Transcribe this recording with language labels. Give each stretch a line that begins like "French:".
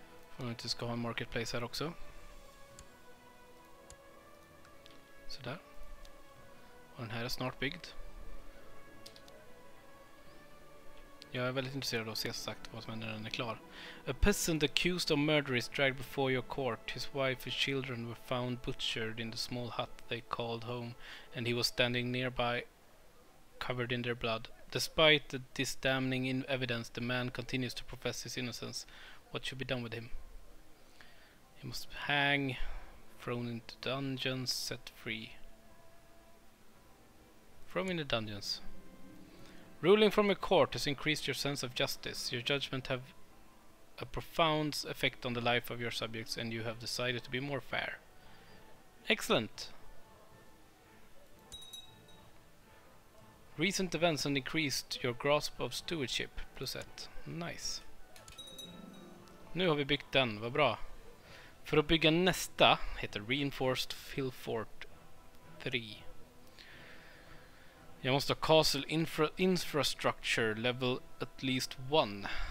Swedish: Får vi inte ska ha en marketplace här också. Sådär. Och den här är snart byggd. Jag är väldigt intresserad av att se sagt vad som händer när den är klar.
English: A peasant accused of murder is dragged before your court. His wife and children were found butchered in the small hut they called home, and he was standing nearby covered in their blood. Despite this damning evidence, the man continues to profess his innocence. What should be done with him? He must hang, thrown into dungeons, set free. Thrown in the dungeons. Ruling from a court has increased your sense of justice. Your judgment have a profound effect on the life of your subjects and you have decided to be more fair. Excellent! Recent events have increased your grasp of stewardship.
Swedish: Plus ett. Nice. Nu har vi byggt den. Vad bra. För att bygga nästa heter Reinforced Hill Fort 3. Jag måste ha
English: castle infrastructure level at least 1.